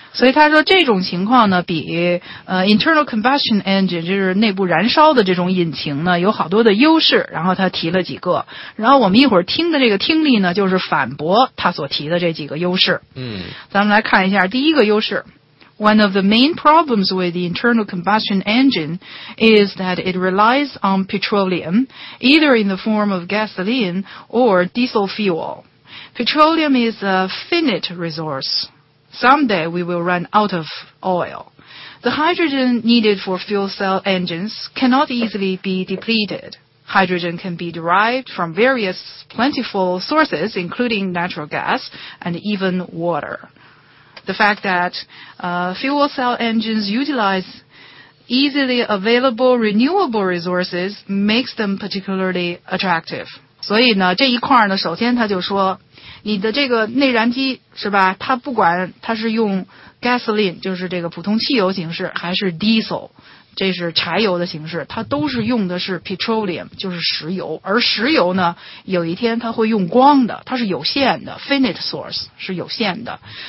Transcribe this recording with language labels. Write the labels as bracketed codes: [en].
[zh] 所以他说这种情况呢比internal combustion engine 就是内部燃烧的这种引擎呢有好多的优势，然后他提了几个，然后我们一会儿听的这个听力呢就是反驳他所提的这几个优势。嗯，咱们来看一下第一个优势。 [en] One of the main problems with the internal combustion engine is that it relies on petroleum, either in the form of gasoline or diesel fuel. Petroleum is a finite resource. Someday we will run out of oil. The hydrogen needed for fuel cell engines cannot easily be depleted. Hydrogen can be derived from various plentiful sources, including natural gas and even water. The fact that fuel cell engines utilize easily available renewable resources makes them particularly attractive. [zh] 所以呢，这一块呢，首先他就说，你的这个内燃机是吧？它不管它是用 gasoline， 就是这个普通汽油形式，还是 diesel，这是柴油的形式，它都是用的是 petroleum， 就是石油。而石油呢，有一天它会用光的，它是有限的 ，finite source 是有限的。